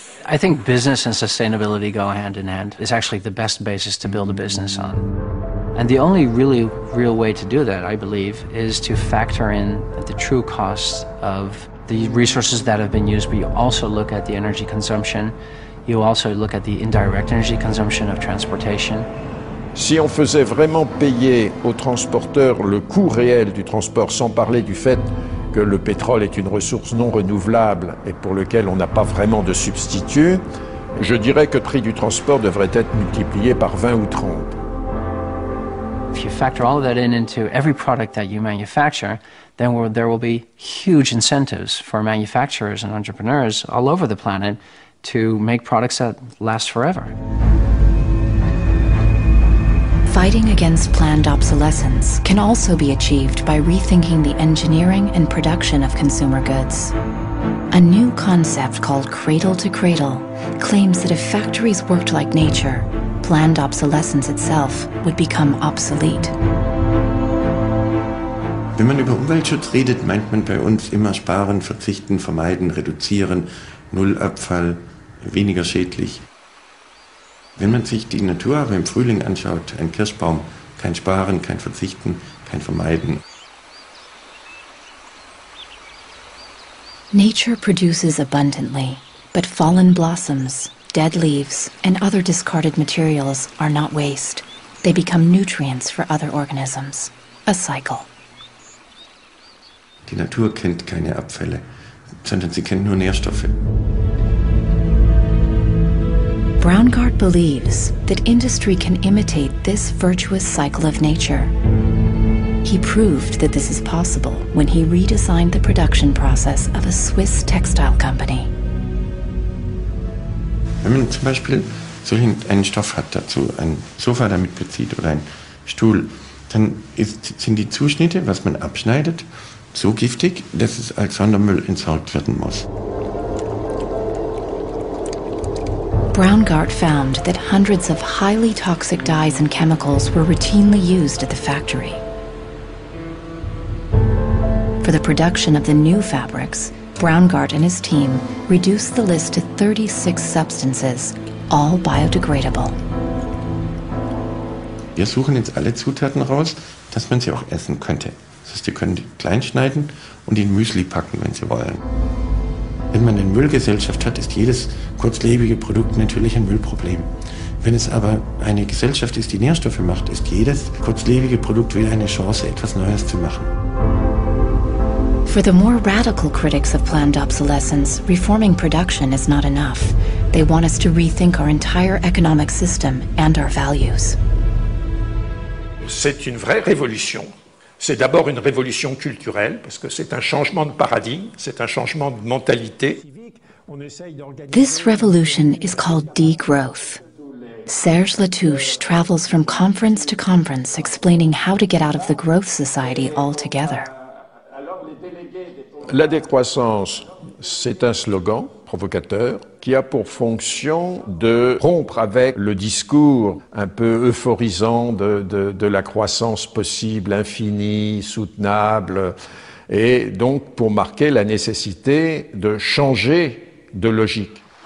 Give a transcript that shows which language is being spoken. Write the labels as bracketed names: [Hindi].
[English] I think business and sustainability go hand in hand. It's actually the best basis to build a business on. And the only really real way to do that, I believe, is to factor in the true cost of the resources that have been used. But you also look at the energy consumption. You also look at the indirect energy consumption of transportation. [French] Si on faisait vraiment payer aux transporteurs le coût réel du transport, sans parler du fait que le pétrole est une ressource non renouvelable et pour lequel on n'a pas vraiment de substitut, je dirais que le prix du transport devrait être multiplié par 20 ou 30. [English] If you factor all of that in into every product that you manufacture, then there will be huge incentives for manufacturers and entrepreneurs all over the planet to make products that last forever. Fighting against planned obsolescence can also be achieved by rethinking the engineering and production of consumer goods. A new concept called cradle to cradle claims that if factories worked like nature, planned obsolescence itself would become obsolete. [German] Wenn man über Umweltschutz redet, meint man bei uns immer sparen, verzichten, vermeiden, reduzieren, null Abfall, weniger schädlich. Wenn man sich die Natur aber im Frühling anschaut, ein Kirschbaum, kein Sparen, kein Verzichten, kein Vermeiden. [English] Nature produces abundantly, but fallen blossoms, dead leaves, and other discarded materials are not waste. They become nutrients for other organisms. A cycle. [German] Die Natur kennt keine Abfälle, sondern sie kennt nur Nährstoffe. [English] Braungart believes that industry can imitate this virtuous cycle of nature. He proved that this is possible when he redesigned the production process of a Swiss textile company. [German] Wenn man zum Beispiel so einen Stoff hat dazu, ein Sofa damit bezieht oder ein Stuhl, dann sind die Zuschnitte, was man abschneidet, so giftig, dass es als Sondermüll entsorgt werden muss. [English] Braungart found that hundreds of highly toxic dyes and chemicals were routinely used at the factory. For the production of the new fabrics, Braungart and his team reduced the list to 36 substances, all biodegradable. [German] Wir suchen jetzt alle Zutaten raus, dass man sie auch essen könnte. Das heißt, sie können die klein schneiden und in Müsli packen, wenn sie wollen. Wenn man eine Müllgesellschaft hat, ist jedes kurzlebige Produkt natürlich ein Müllproblem. Wenn es aber eine Gesellschaft ist, die Nährstoffe macht, ist jedes kurzlebige Produkt wieder eine Chance, etwas Neues zu machen. [English] For the more radical critics of planned obsolescence, reforming production is not enough. They want us to rethink our entire economic system and our values. [French] C'est une vraie révolution. C'est d'abord une révolution culturelle, parce que c'est un changement de paradigme, c'est un changement de mentalité. [English] This revolution is called degrowth. Serge Latouche travels from conference to conference explaining how to get out of the growth society altogether. [French] La décroissance, c'est un slogan provocateur qui a pour fonction de rompre avec le discours un peu euphorisant de la croissance possible, infinie, soutenable, et donc pour marquer la nécessité de changer de logique.